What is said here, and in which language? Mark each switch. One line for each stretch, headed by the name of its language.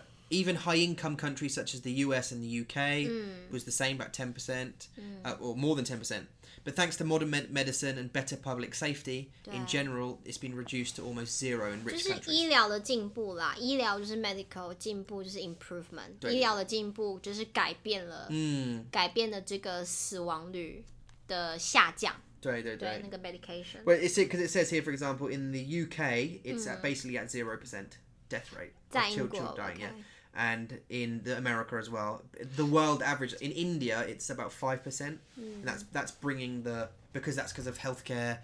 English: Even high-income countries such as the US and the UK、 mm. was the same, about 10%,、 mm. Or more than 10%. But thanks to modern medicine and better public safety, in general, it's been reduced to almost zero in rich countries.
Chinese: 就是医疗的进步啦，医疗就是 medical, 进步就是 improvement. 医疗的进步就是改变了、 mm. 改变了这个死亡率的下降。对对对。对，
English: 那个 medication. Well, is it, 'cause it says here, for example, in the UK, it's、mm. basically at 0%. Death rate of children dying、 okay. yeah. and in the America as well the world average in India it's about 5%、 mm. and that's bringing the because that's because of healthcare、